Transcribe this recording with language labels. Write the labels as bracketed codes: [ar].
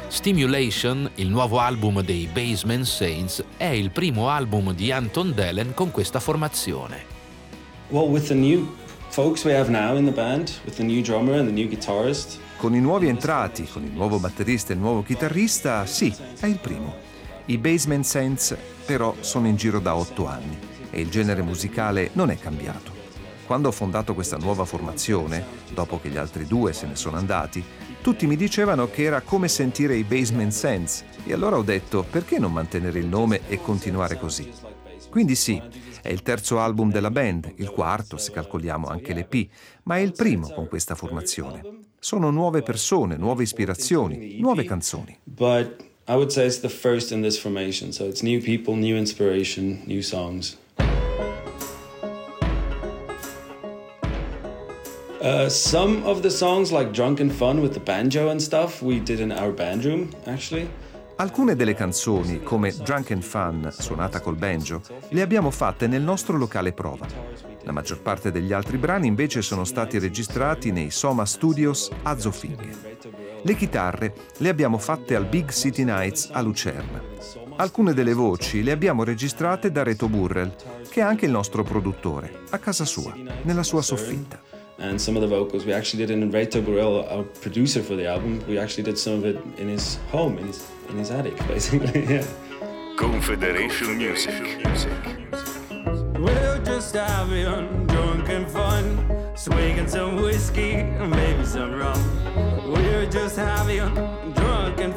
[it] Stimulation, il nuovo album dei Basement Saints, è il primo album di Anton Delen con questa formazione. [en] Well, with the new folks we have now in the band, with the new drummer and the new guitarist. [it] Con i nuovi entrati, con il nuovo batterista e il nuovo chitarrista, sì, è il primo. I Basement Saints però sono in giro da 8 anni e il genere musicale non è cambiato. Quando ho fondato questa nuova formazione, dopo che gli altri due se ne sono andati, tutti mi dicevano che era come sentire i Basement Saints e allora ho detto perché non mantenere il nome e continuare così. Quindi sì, è il terzo album della band, il quarto se calcoliamo anche l'EP, ma è il primo con questa formazione. Sono nuove persone, nuove ispirazioni, nuove canzoni. [en] I would say it's the first in this formation, so it's new people, new inspiration, new songs. Some of the songs like Drunken Fun with the banjo and stuff we did in our band room, actually. [it] Alcune delle canzoni, come Drunken Fun, suonata col banjo, le abbiamo fatte nel nostro locale prova. La maggior parte degli altri brani invece sono stati registrati nei Soma Studios a Zofingen. Le chitarre le abbiamo fatte al Big City Nights a Lucerna. Alcune delle voci le abbiamo registrate da Reto Burrell, che è anche il nostro produttore, a casa sua, nella sua soffitta. [en] And some of the vocals we actually did in Reto Burrell, our producer for the album, we actually did some of it in his home, in his attic, basically. Yeah. Confederation Music. We'll just have it drunk and fun, swinging some whiskey, maybe some rum. We're just having drunk